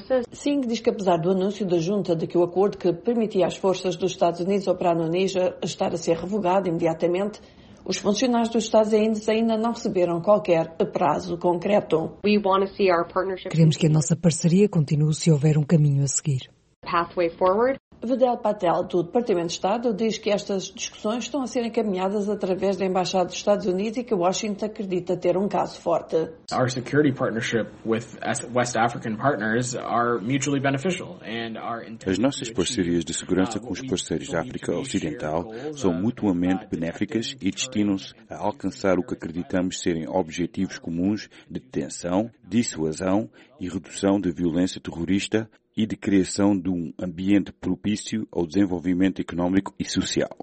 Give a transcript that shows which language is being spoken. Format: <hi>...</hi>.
<pt>Singh diz que, apesar do anúncio da junta de que o acordo que permitia às forças dos Estados Unidos operar no Níger estar a ser revogado imediatamente, os funcionários dos Estados Unidos ainda não receberam qualquer prazo concreto. Queremos que a nossa parceria continue se houver um caminho a seguir. Vidal Patel, do Departamento de Estado, diz que estas discussões estão a ser encaminhadas através da Embaixada dos Estados Unidos e que Washington acredita ter um caso forte.</pt> <en>Our security partnership with West African partners are mutually beneficial and our</en> <pt>as nossas parcerias de segurança com os parceiros da África Ocidental são mutuamente benéficas e destinam-se a alcançar o que acreditamos serem objetivos comuns de detenção, dissuasão e redução de violência terrorista e de criação de um ambiente propício ao desenvolvimento económico e social.</pt>